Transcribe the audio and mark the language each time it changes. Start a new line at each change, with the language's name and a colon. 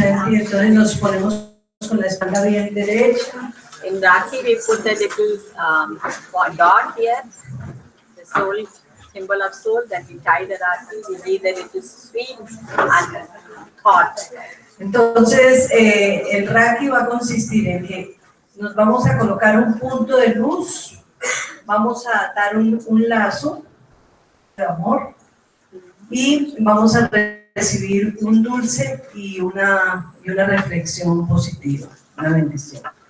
Spanish: Y entonces nos ponemos con la espalda bien derecha.
English: In Raki we put a little dot here, the soul, symbol of soul, then we tie the Raki, we leave the little swing and thought.
Spanish: Entonces el Raki va a consistir en que nos vamos a colocar un punto de luz, vamos a atar un lazo de amor y vamos a recibir un dulce y una reflexión positiva, una bendición.